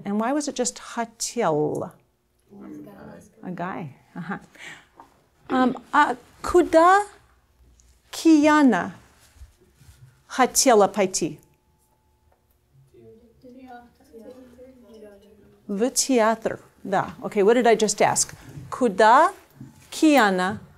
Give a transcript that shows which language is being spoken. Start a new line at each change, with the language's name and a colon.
English: And why was it just хотел? A guy.
Russian: Куда Кияна хотела пойти? В театр. Да.
English: Okay, what did I just ask?
Russian: Куда Кияна